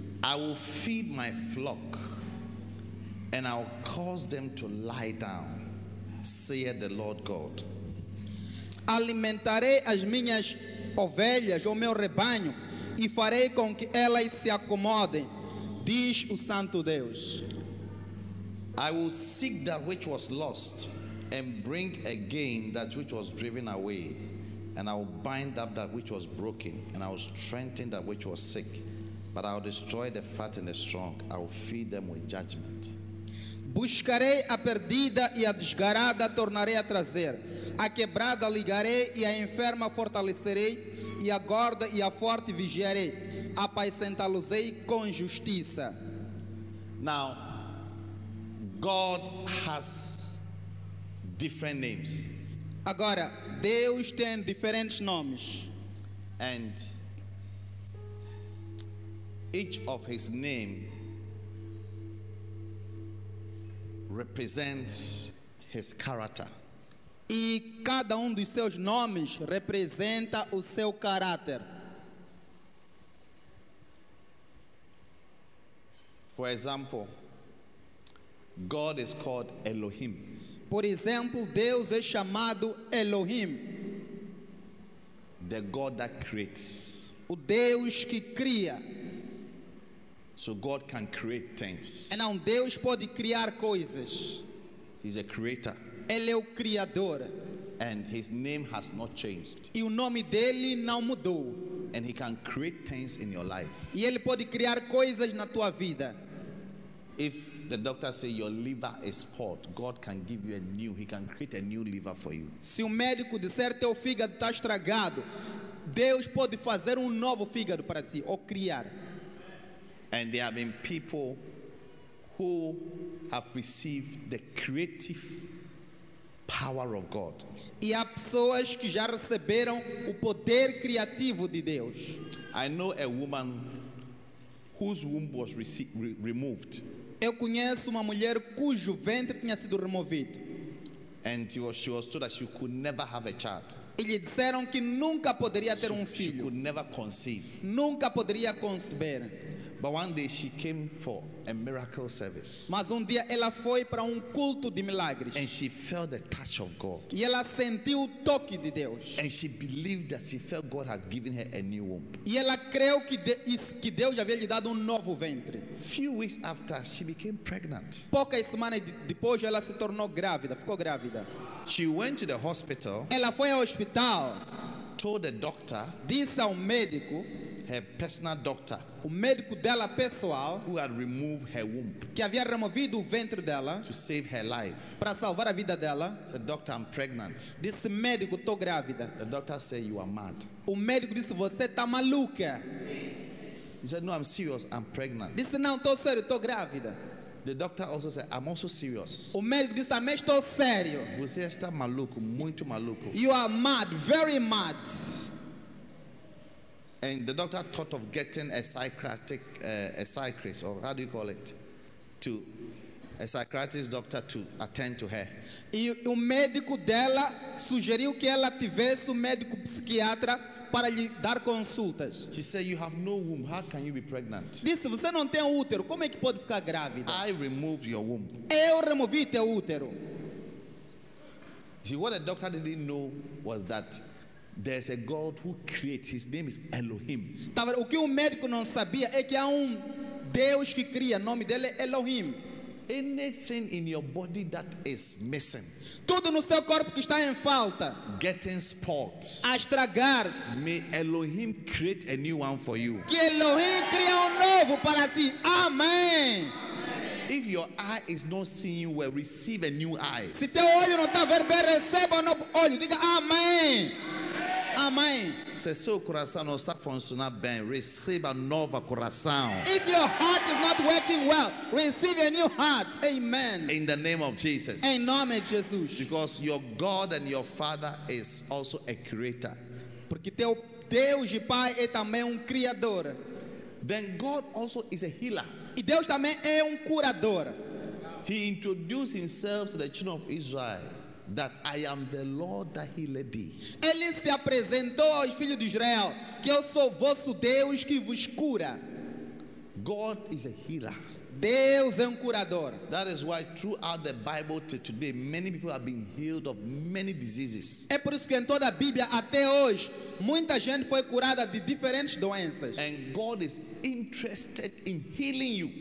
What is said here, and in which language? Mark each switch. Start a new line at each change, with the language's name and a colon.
English: I will feed my flock and I will cause them to lie down, saith the Lord God.
Portuguese: Alimentarei as minhas ovelhas, o meu rebanho, e farei com que elas se acomodem, diz o Santo Deus.
English: I will seek that which was lost and bring again that which was driven away, and I will bind up that which was broken, and I will strengthen that which was sick, but I will destroy the fat and the strong. I will feed them with judgment.
Portuguese: Buscarei a perdida e a desgarrada tornarei a trazer, a quebrada ligarei e a enferma fortalecerei, e a gorda e a forte vigiarei, apacentá-los-ei com justiça.
English: Now, God has different names.
Portuguese: Agora, Deus tem diferentes nomes.
English: And each of his name represents his character.
Portuguese: E cada dos seus nomes representa o seu caráter.
English: For example, God is called Elohim.
Portuguese: Por exemplo, Deus é chamado Elohim.
English: The God that creates.
Portuguese: O Deus que cria.
English: So God can create things.
Portuguese: Então, Deus pode criar coisas.
English: He's a creator.
Portuguese: Ele é o criador.
English: And his name has not changed.
Portuguese: E o nome dele não mudou.
English: And he can create things in your life.
Portuguese: E ele pode criar coisas na tua vida.
English: If the doctor say your liver is spot, God can give you a new, he can create a new liver for you.
Portuguese: Se o médico disser teu fígado está estragado, Deus pode fazer novo fígado para ti ou criar.
English: And there have been people who have received the creative power of God.
Portuguese: E há pessoas que já receberam o poder criativo de Deus.
English: I know a woman whose womb was removed.
Portuguese: Eu conheço uma mulher cujo ventre tinha sido removido.
English: And she was told that she could never have a child.
Portuguese: E lhe disseram que nunca poderia ter um filho.
English: She could never conceive.
Portuguese: Nunca poderia conceber.
English: But one day she came for a miracle service.
Portuguese: Mas dia ela foi para culto de milagres.
English: And she felt the touch of God.
Portuguese: E ela sentiu o toque de Deus.
English: And she believed that she felt God has given her a new womb.
Portuguese: E ela creu que Deus havia lhe dado novo ventre.
English: Few weeks after she became pregnant.
Portuguese: Poucas semanas depois ela se tornou grávida, ficou grávida.
English: She went to the hospital.
Portuguese: Ela foi ao hospital.
English: Told the doctor.
Portuguese: Disse ao médico.
English: Her personal doctor,
Portuguese: o médico dela pessoal,
English: who had removed her womb,
Portuguese: que havia removido o ventre dela,
English: to save her life,
Portuguese: para salvar a vida dela,
English: said, "Doctor, I'm pregnant."
Portuguese: Disse, médico, tô grávida.
English: The doctor said, "You are mad."
Portuguese: O médico disse, você tá maluca.
English: He said, "No, I'm serious. I'm pregnant."
Portuguese: Disse, não, tô sério, tô grávida.
English: The doctor also said, "I'm also serious."
Portuguese: O médico disse, também estou sério. Você está maluco, muito maluco.
English: You are mad, very mad. And the doctor thought of getting a psychiatric, or how do you call it, to a psychiatrist doctor to attend to her.
Portuguese: E o médico dela sugeriu que ela tivesse um médico psiquiatra para lhe dar consultas.
English: She said, "You have no womb. How can you be pregnant?"
Portuguese: Disse, você não tem útero. Como é que pode ficar grávida?
English: I removed your womb.
Portuguese: Eu removi teu útero.
English: See, what the doctor didn't know was that there's a God who creates. His name is Elohim.
Portuguese: O que o médico não sabia é que há Deus que cria. O nome dele é Elohim.
English: Anything in your body that is missing.
Portuguese: Tudo no seu corpo que está em falta.
English: Getting spoiled.
Portuguese: A estragar-se.
English: May Elohim create a new one for you.
Portuguese: Que Elohim crie novo para ti. Amém.
English: If your eye is not seeing you well, receive a new eye.
Portuguese: Se teu olho não está a ver bem, receba novo olho. Diga amém. Amém. Se seu coração não está funcionando bem, receba nova coração.
English: If your heart is not working well, receive a new heart. Amen. In the name of Jesus.
Portuguese: Em nome de Jesus.
English: Because your God and your Father is also a creator.
Portuguese: Porque teu Deus e Pai é também criador.
English: Then God also is a healer.
Portuguese: E Deus também é curador.
English: He introduced himself to the children of Israel. That I am the Lord that healed thee.
Portuguese: Ele se apresentou aos filhos de Israel que eu sou vosso Deus que vos cura.
English: God is a healer.
Portuguese: Deus é curador.
English: That is why throughout the Bible to today many people have been healed of many diseases.
Portuguese: É por isso que em toda a Bíblia até hoje muita gente foi curada de diferentes doenças.
English: And God is interested in healing you.